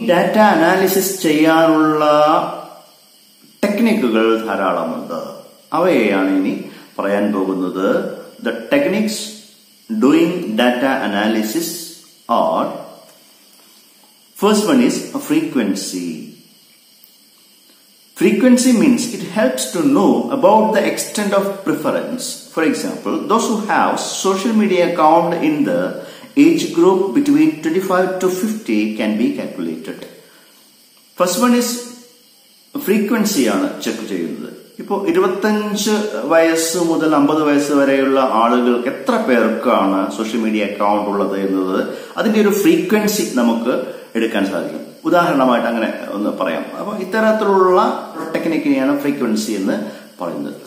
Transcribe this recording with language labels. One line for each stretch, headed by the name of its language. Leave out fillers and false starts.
Malayalam: Data analysis ചെയ്യാനുള്ള ടെക്നിക്കുകൾ ധാരാളമുണ്ട്, അവയെയാണ് ഇനി പറയാൻ പോകുന്നത്.
English: The techniques doing data analysis are, first one is frequency. Frequency means it helps to know about the extent of preference. For example, those who have social media account in the age group between 25 to 50 can be calculated. First one is frequency
Malayalam: ആണ് check ചെയ്യുന്നത്. ഇപ്പോൾ 25 വയസ്സ് മുതൽ 50 വയസ്സ് വരെയുള്ള ആളുകൾക്ക് എത്ര പേർക്കാണ് സോഷ്യൽ മീഡിയ അക്കൗണ്ട് ഉള്ളത് എന്നത് അതിന്റെ ഒരു ഫ്രീക്വൻസി നമുക്ക് എടുക്കാൻ സാധിക്കും. ഉദാഹരണമായിട്ട് അങ്ങനെ ഒന്ന് പറയാം. അപ്പോൾ ഇത്തരത്തിലുള്ള ടെക്നിക്കിനെയാണ് ഫ്രീക്വൻസി എന്ന് പറയുന്നത്.